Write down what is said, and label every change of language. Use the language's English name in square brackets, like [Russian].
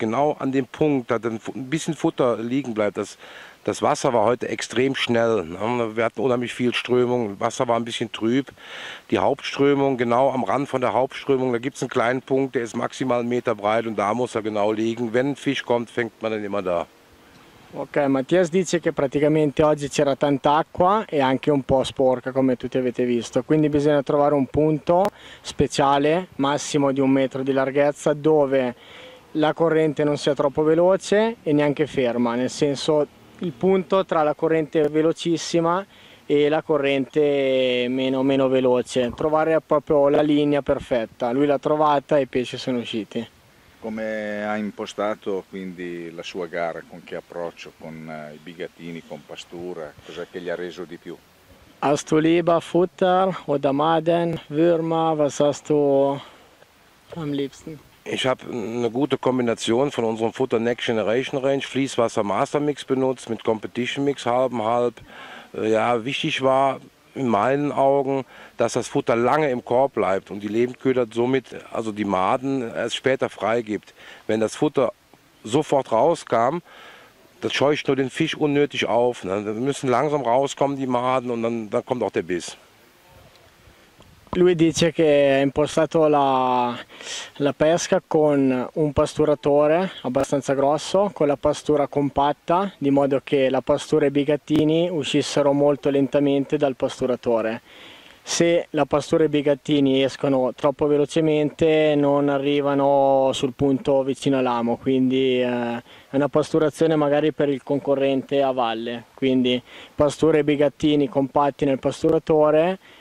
[German] Genau an dem Punkt, da ein bisschen Futter liegen bleibt. Das Wasser war heute extrem schnell. Wir hatten unheimlich viel Strömung. Das Wasser war ein bisschen trüb. Die Hauptströmung, genau am Rand von der Hauptströmung, da gibt es einen kleinen Punkt, der ist maximal einen Meter breit und da muss er genau liegen. Wenn ein Fisch kommt, fängt man dann immer da. [Italian] Okay, Matthias dice che praticamente oggi c'era tanta acqua e anche un po' sporca, come tutti avete visto. Quindi bisogna trovare un punto speciale, massimo di un metro di larghezza, dove la corrente non sia troppo veloce e neanche ferma, nel senso il punto tra la corrente velocissima e la corrente meno veloce, trovare proprio la linea perfetta. Lui l'ha trovata e i pesci sono usciti. Come ha impostato quindi la sua gara, con che approccio, con i bigatini, con pastura, cos'è che gli ha reso di più? [German] Hast du lieber Futter oder Maden, Würmer, was hast du am liebsten? Ich habe eine gute Kombination von unserem Futter Next Generation Range, Fließwasser Master Mix benutzt mit Competition Mix halb und halb. Ja, wichtig war in meinen Augen, dass das Futter lange im Korb bleibt und die Lebendköder somit, also die Maden, erst später freigibt. Wenn das Futter sofort rauskam, das scheucht nur den Fisch unnötig auf. Dann müssen langsam rauskommen die Maden und dann kommt auch der Biss. [Italian] Lui dice che ha impostato la pesca con un pasturatore abbastanza grosso, con la pastura compatta, di modo che la pastura e i bigattini uscissero molto lentamente dal pasturatore. Se la pastura e i bigattini escono troppo velocemente non arrivano sul punto vicino all'amo, quindi è una pasturazione magari per il concorrente a valle. Quindi pastura e bigattini compatti nel pasturatore